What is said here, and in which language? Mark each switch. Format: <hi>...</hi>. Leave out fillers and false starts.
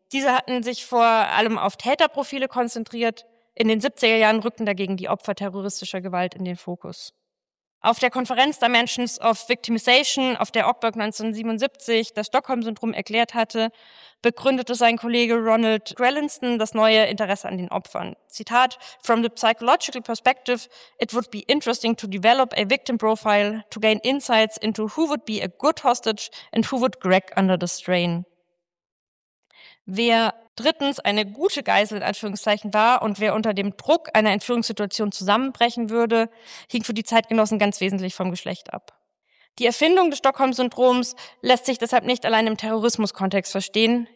<de>Diese hatten sich vor allem auf Täterprofile konzentriert. In den 70er Jahren rückten dagegen die Opfer terroristischer Gewalt in den Fokus. Auf der Konferenz Dimensions of Victimization, auf der Ockberg 1977 das Stockholm-Syndrom erklärt hatte, begründete sein Kollege Ronald Grelinson das neue Interesse an den Opfern.</de> <en>Zitat: "From the psychological perspective, it would be interesting to develop a victim profile to gain insights into who would be a good hostage and who would crack under the strain."</en> <de>Wer drittens eine gute Geisel in Anführungszeichen war und wer unter dem Druck einer Entführungssituation zusammenbrechen würde, hing für die Zeitgenossen ganz wesentlich vom Geschlecht ab. Die Erfindung des Stockholm-Syndroms lässt sich deshalb nicht allein im Terrorismuskontext verstehen.</de>